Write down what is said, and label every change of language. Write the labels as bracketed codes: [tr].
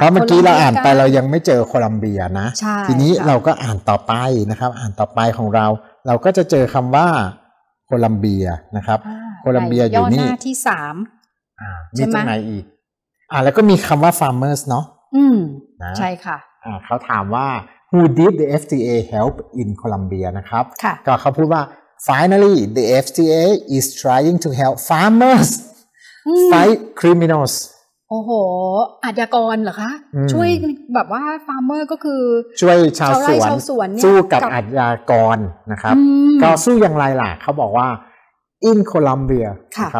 [th] เพราะเมื่อกี้เราอ่านไปเรายังไม่เจอโคลอมเบียนะ ใช่ ทีนี้เราก็อ่านต่อไปนะครับอ่านต่อไปของเราเราก็จะเจอคำว่าโคลอมเบียนะครับโคลอมเบียอยู่นี่ ย่อหน้าที่สาม มีตรงไหนอีกแล้วก็มีคำว่า farmers เนาะ ใช่ค่ะ เขาถามว่า [en] Who did the FTA help in Colombia [th] นะครับก็เขาพูดว่า [en] Finally the FTA is trying to help farmers fight criminals [th] โอ้โหอาชญากรเหรอคะช่ วยแบบว่า farmer ก็คือ ช่วยชาวสวน สู้กับอาชญากรนะครับก็สู้อย่างไรล่ะเขาบอกว่า [en] in Colombia [th] นะคร